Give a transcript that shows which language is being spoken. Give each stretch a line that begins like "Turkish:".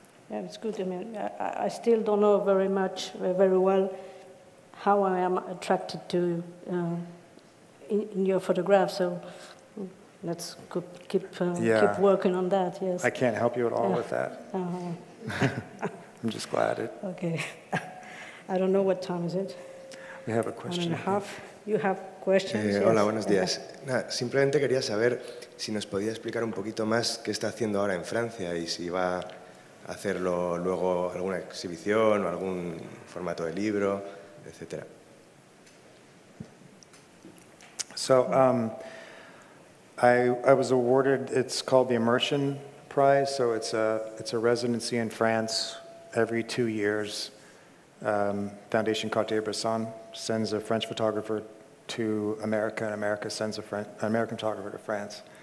English: Yeah, it's good. I mean, I still don't know very much, very well, how I am attracted to in your photograph. So let's keep working on that. Yes, I can't help you at all with that. I'm just glad it. Okay, I don't know what time is it. We have a question. One and a half. You have questions.
Spanish: Hola, buenos días. Nada, simplemente quería saber si nos podía explicar un poquito más qué está haciendo ahora en Francia y si va a hacerlo luego alguna exhibición o algún formato de libro, etc.
English: So. I was awarded, it's called the Immersion Prize, so it's a residency in France every 2 years. Foundation Cartier-Bresson sends a French photographer to America, and America sends an American photographer to France.